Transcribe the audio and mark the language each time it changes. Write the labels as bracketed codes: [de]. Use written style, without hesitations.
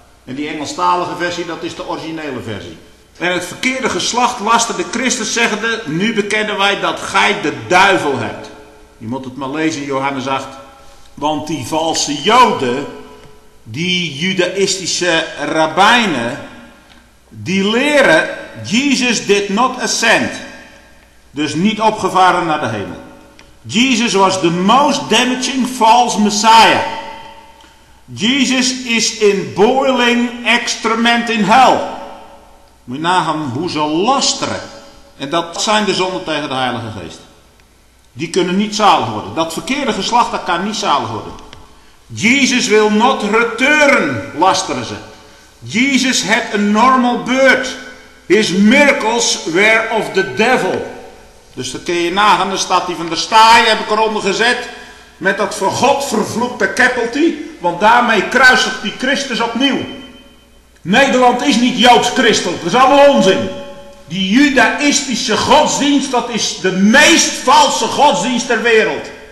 [nl] En die Engelstalige versie, dat is de originele versie. En het verkeerde geslacht lasterde Christus zeggende, nu bekennen wij dat gij de duivel hebt. Je moet het maar lezen in Johannes 8. Want die valse Joden, die judaïstische rabbijnen, die leren [en] Jesus did not ascend. [nl] Dus niet opgevaren naar de hemel. [en] Jesus was the most damaging false messiah. Jesus is in boiling excrement in hell. [nl] Moet je nagaan hoe ze lasteren. En dat zijn de zonden tegen de Heilige Geest. Die kunnen niet zalig worden. Dat verkeerde geslacht, dat kan niet zalig worden. [en] Jesus will not return, [nl] lasteren ze. [en] Jesus had a normal birth. His miracles were of the devil. [nl] Dus dat kun je nagaan, dan staat hij van de staai, heb ik eronder gezet. Met dat voor God vervloekte keppelty, want daarmee kruisigt die Christus opnieuw. Nederland is niet Joods-Christelijk, dat is allemaal onzin. Die judaïstische godsdienst, dat is de meest valse godsdienst ter wereld.